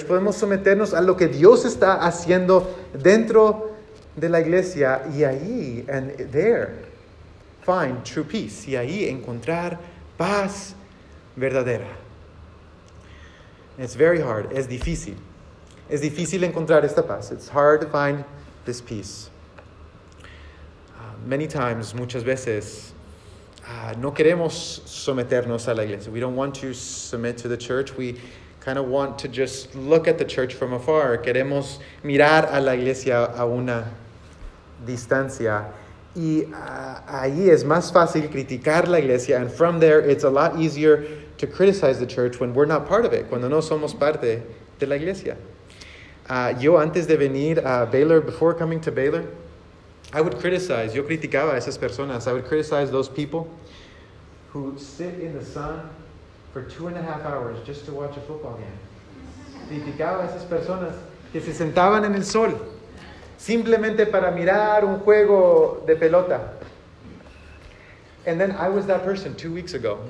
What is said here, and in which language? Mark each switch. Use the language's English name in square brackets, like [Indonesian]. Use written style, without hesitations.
[Spanish] Podemos someternos a lo que Dios está haciendo dentro de la iglesia, y ahí, [English] and there, find true peace. [Spanish] Y ahí encontrar paz verdadera. [English] It's very hard. [Spanish] Es difícil. Es difícil encontrar esta paz. [English] It's hard to find this peace. Many times, [Spanish] muchas veces, no queremos someternos a la iglesia. [English] We don't want to submit to the church. We kind of want to just look at the church from afar. [Spanish] Queremos mirar a la iglesia a una distancia. Y ahí es más fácil criticar la iglesia. [English] And from there, it's a lot easier to criticize the church when we're not part of it, [Spanish] cuando no somos parte de la iglesia. Yo antes de venir a Baylor, [English] before coming to Baylor, I would criticize, [Spanish] yo criticaba a esas personas. [English] I would criticize those people who sit in the sun for 2.5 hours just to watch a football game. [Spanish] Criticaba a esas personas que se sentaban en el sol simplemente para mirar un juego de pelota. [English] And then I was that person 2 weeks ago.